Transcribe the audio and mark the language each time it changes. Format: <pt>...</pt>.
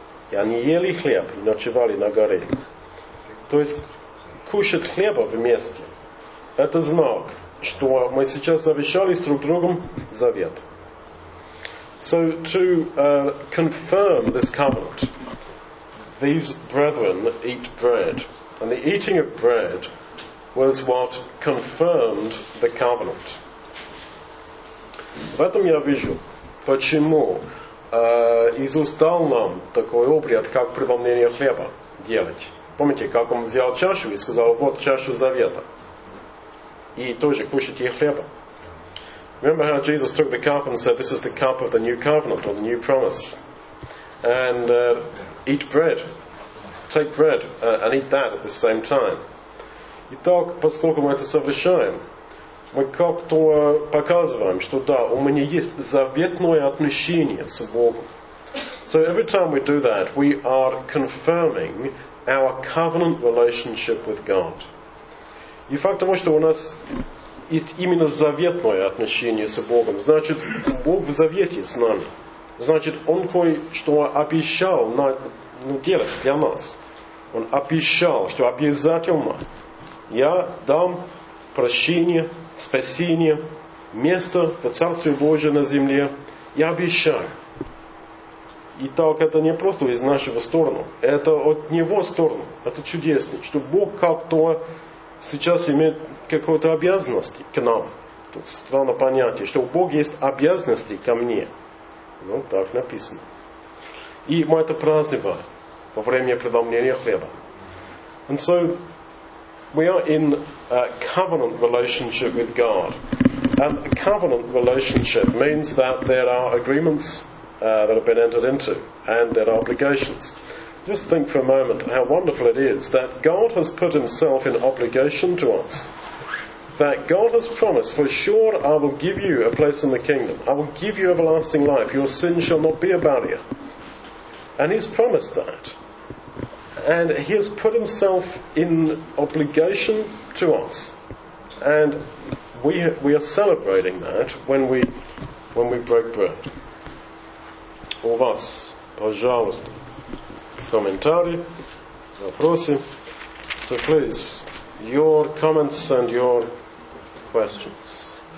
<ru>И они ели хлеб и ночевали на горе. То есть, кушать хлеба вместе, это знак, что мы сейчас завещали с друг другом завет.</ru> <en>So, to confirm this covenant, these brethren eat bread. And the eating of bread was what confirmed the covenant.</en> <ru>В этом я вижу, почему Иисус дал нам такой обряд, как преломление хлеба делать. Помните, как он взял чашу и сказал, вот чашу завета. И тоже кушать ей хлеба.</ru> <en>Remember how Jesus took the cup and said, this is the cup of the new covenant, or the new promise. And eat bread. Take bread and eat that at the same time.</en> <ru>Итак, поскольку мы это совершаем, мы как-то показываем, что да, у меня есть заветное отношение с Богом.</ru> <en>So every time we do that, we are confirming our covenant relationship with God.</en> <ru>И факт того, что у нас есть именно заветное отношение с Богом, значит, Бог в завете с нами. Значит, Он кое-что обещал делать для нас. Он обещал, что обязательно я дам прощение, спасение, место в Царстве Божьем на земле. Я обещаю. И так это не просто из нашего стороны. Это от Него сторону. Это чудесно, что Бог как-то сейчас имеет какую-то обязанность к нам. Тут странно понятие, что у Бога есть обязанности ко мне. Ну, так написано. И мы это праздновали во время преломления хлеба.</ru> <en>And so, we are in a covenant relationship with God. And a covenant relationship means that there are agreements that have been entered into, and there are obligations. Just think for a moment how wonderful it is that God has put Himself in obligation to us. That God has promised, for sure I will give you a place in the kingdom. I will give you everlasting life. Your sin shall not be a barrier. And He's promised that. And He has put Himself in obligation to us. And we are celebrating that when we break bread.</en> <ru>У вас, пожалуйста, комментарии, вопросы.</ru> <en>So please, your comments and your questions.</en>